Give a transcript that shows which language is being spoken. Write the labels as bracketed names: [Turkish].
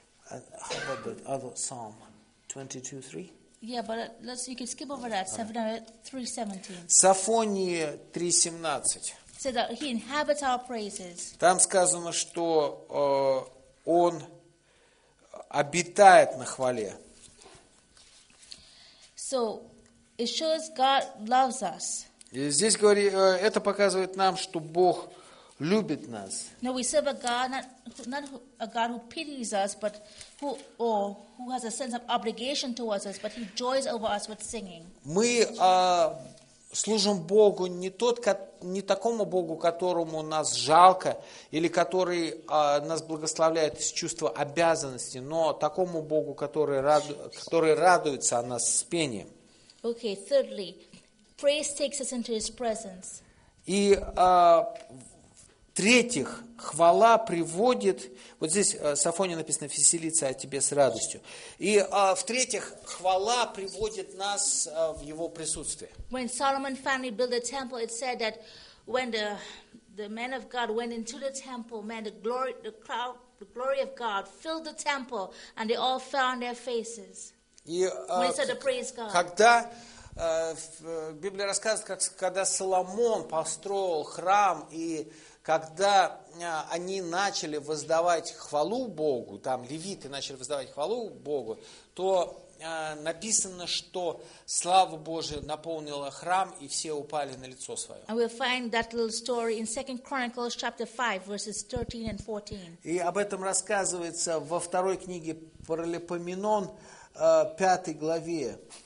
[English] How about the other Psalm 22:3? Yeah, but let's you can skip over that. Right. [Russian] Сафония 3:17. [English] So that he inhabits our praises. [Russian] Там сказано, что он обитает на хвале. [English] So it shows God loves us. [Russian] И здесь говорит, это показывает нам, что Бог любит нас. [English] No, we serve a God not a God who pities us, but who has a sense of obligation towards us, but he joys over us with singing. [Russian] Мы служим Богу не такому Богу, которому нас жалко или который нас благословляет из чувства обязанности, но такому Богу, который радуется о нас с пением. [English] Okay, thirdly, praise takes us into his presence. [Russian] И в-третьих, хвала приводит... Вот здесь в Сафоне написано «Веселиться о тебе с радостью». И в-третьих, хвала приводит нас в его присутствие. [English] When Solomon finally built the temple, it said that when the men of God went into the temple, man, the glory of God filled the temple, and they all fell on their faces. When it said to praise God. [Russian] Когда... Библия рассказывает, как когда Соломон построил храм, и когда они начали воздавать хвалу Богу, там левиты начали воздавать хвалу Богу, то написано, что слава Божия наполнила храм, и все упали на лицо свое. [English] And we'll find that little story in 2 Chronicles chapter 5, verses 13 and 14. [Russian] И об этом рассказывается во второй книге Паралипоменон, 5 главе.